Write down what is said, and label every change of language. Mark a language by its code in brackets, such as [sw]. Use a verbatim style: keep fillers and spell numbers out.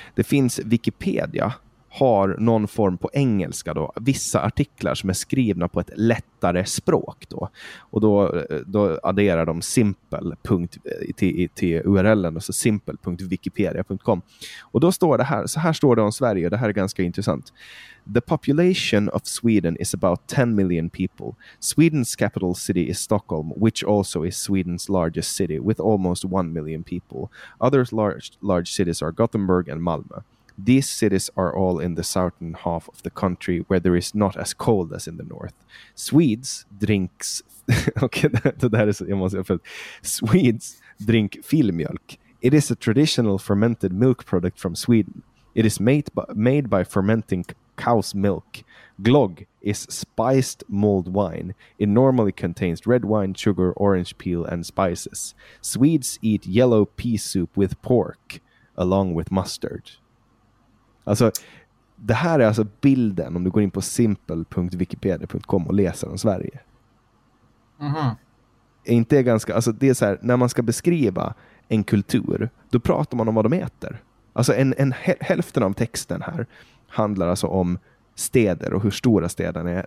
[sv] Det finns Wikipedia har någon form på engelska då, vissa artiklar som är skrivna på ett lättare språk då, och då, då adderar de simple punkt till, till urlen, och så simple dot wikipedia dot com, och då står det här, så här står det om Sverige, och det här är ganska intressant. [en] The population of Sweden is about ten million people. Sweden's capital city is Stockholm, which also is Sweden's largest city with almost one million people. Other large, large cities are Gothenburg and Malmö. These cities are all in the southern half of the country where there is not as cold as in the north. Swedes drinks okay, [sv] det där är så, jag måste, för [en] Swedes drink [sv] filmjölk. [en] It is a traditional fermented milk product from Sweden. It is made by, made by fermenting cow's milk. Glögg is spiced mulled wine. It normally contains red wine, sugar, orange peel and spices. Swedes eat yellow pea soup with pork along with mustard. [sv] Alltså, det här är alltså bilden om du går in på simple dot wikipedia dot com och läser om Sverige. Mm-hmm. Inte är ganska, alltså det är så här, när man ska beskriva en kultur, då pratar man om vad de äter. Alltså en, en hälften av texten här handlar alltså om städer och hur stora städerna är.